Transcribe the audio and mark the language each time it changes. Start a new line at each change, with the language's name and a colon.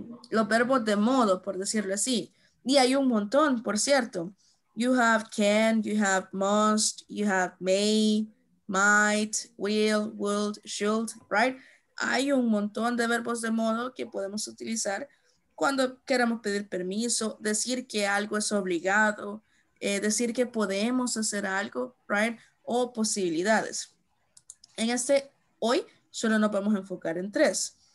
Spanish: Los verbos de modo, por decirlo así, y hay un montón, por cierto.
English: You have can, you have must, you have may, might, will, would, should, right?
Spanish: Hay un montón de verbos de modo que podemos utilizar cuando queramos pedir permiso, decir que algo es obligado, decir que podemos hacer algo, right? O posibilidades. En este, hoy, solo nos vamos a enfocar en tres.